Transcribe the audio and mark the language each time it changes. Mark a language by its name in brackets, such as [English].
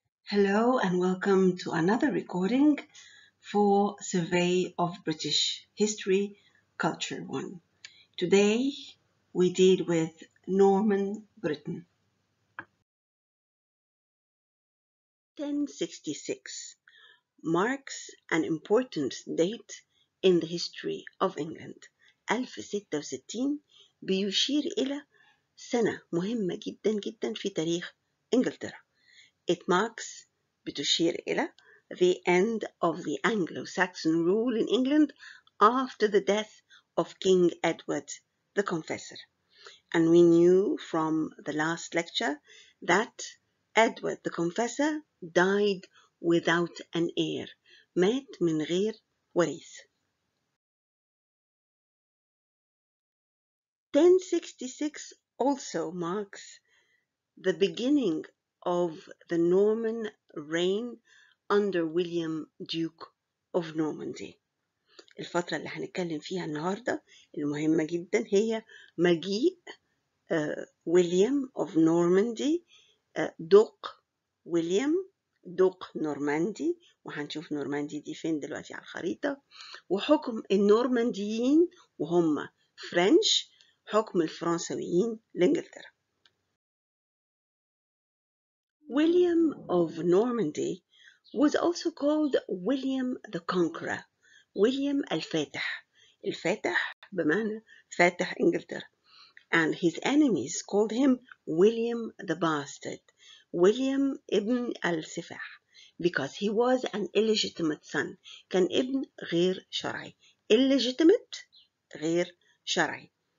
[English] Hello and welcome to another recording for Survey of British History, Culture 1. Today we deal with Norman Britain. 1066 marks an important date in the history of England. [Arabic] 1066 بيشير إلى سنة مهمة جدا جدا في تاريخ إنجلترا. [English] It marks, [Arabic] بتشير إلى, [English] the end of the Anglo-Saxon rule in England after the death of King Edward the Confessor. And we knew from the last lecture that Edward the Confessor died without an heir. [Arabic] مات من غير وريث. [English] 1066 also marks the beginning of the Norman reign under William, Duke of Normandy. [Arabic] الفترة اللي هنتكلم فيها النهاردة المهمة جدا هي مجيء William of Normandy, دوق نورماندي, وهنشوف نورماندي دي فين دلوقتي على الخريطة, وحكم النورمانديين وهم French, حكم الفرنسويين لإنجلترا. [English] William of Normandy was also called William the Conqueror, William [Arabic] الفاتح, الفاتح بمعنى فاتح إنجلترا. [English] And his enemies called him William the Bastard, William [Arabic] ابن السفاح, [English] because he was an illegitimate son, [Arabic] كان ابن غير شرعي, [English] illegitimate [Arabic] غير شرعي.